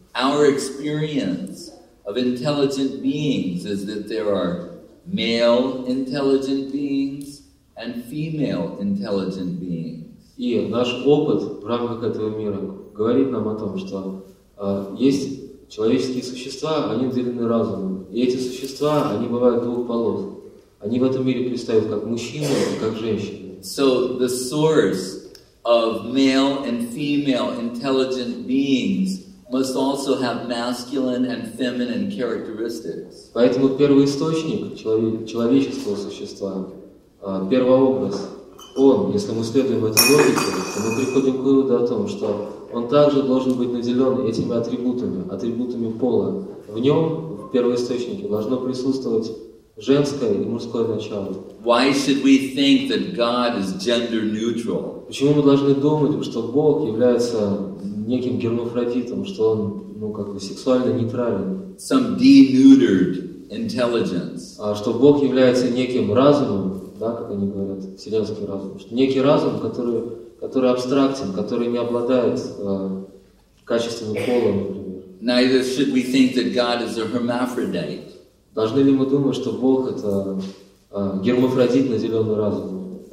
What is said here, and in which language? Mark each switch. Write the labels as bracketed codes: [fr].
[en] Our experience of intelligent beings is that there are male intelligent beings and female intelligent beings. [ru] И наш опыт в рамках этого мира говорит нам о том, что есть человеческие существа, они наделены разумом. И эти существа, они бывают двух полов. Они в этом мире представят как мужчину, как женщину. [en] So the source of male and female intelligent beings must also have masculine and feminine characteristics. [ru] Поэтому первоисточник человеческого существа, первообраз, он, если мы следуем этой логике, то мы приходим к выводу о том, что он также должен быть наделен этими атрибутами, атрибутами пола. В нем, в первоисточнике, должно присутствовать женское и мужское начало. [en] Why should we think that God is gender neutral? [ru] Почему мы должны думать, что Бог является неким гермафродитом, что он, ну, как бы сексуально нейтрален? [en] Some denuded intelligence. [ru] А что Бог является неким разумом, да, как они говорят, вселенский разум, что некий разум, который абстрактен, который не обладает качественным полом, например. [en] Neither should we think that God is a hermaphrodite. [ru] Должны ли мы думать, что Бог это гермафродит, наделенный разумом?